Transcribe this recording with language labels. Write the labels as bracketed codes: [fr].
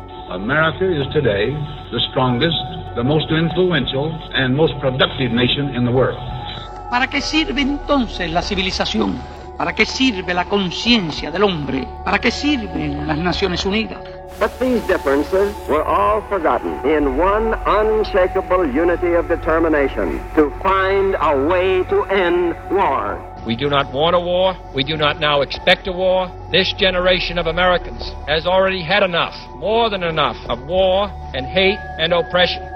[en] America is today the strongest, the most influential, and most productive nation in the world. [es] ¿Para qué sirve entonces la civilización? ¿Para qué sirve la conciencia del hombre? ¿Para qué sirven las Naciones Unidas? [en] But these differences were all forgotten in one unshakable unity of determination to find a way to end war. We do not want a war. We do not now expect a war. This generation of Americans has already had enough, more than enough, of war and hate and oppression.